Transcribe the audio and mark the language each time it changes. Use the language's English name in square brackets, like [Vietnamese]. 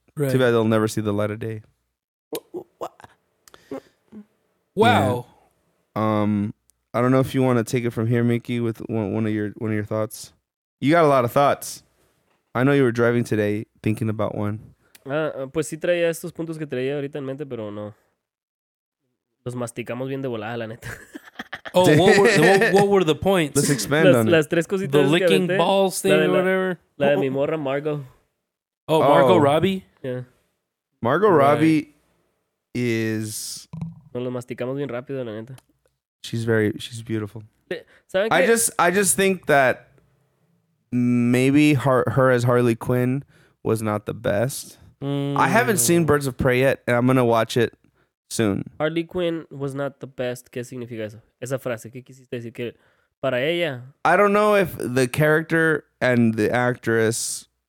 [English] Right. Too bad they'll never see the light of day. Wow. Yeah. I don't know if you wanna take it from here, Mickey, with one of your thoughts. You got a lot of thoughts. I know you were driving today thinking about one. [Spanish] Pues sí traía estos puntos que traía ahorita en mente, pero no. Los masticamos bien de volada, la neta. [English] Oh, what were the points? Let's expand on it. [Spanish] Las tres cositas que aventé. [English] The licking balls thing or whatever. [Spanish] La de mi morra, Margo. [English] Oh, Margo Robbie? Yeah. Margo Robbie is... [Spanish] Nos los masticamos bien rápido, la neta. [English] She's beautiful. I just think that... Maybe her as Harley Quinn was not the best. I haven't seen Birds of Prey yet, and I'm going to watch it soon. Harley Quinn was not the best. [Spanish] ¿Qué significa eso? Esa frase. ¿Qué quisiste decir? Que para ella... [English] I don't know if the character and the actress...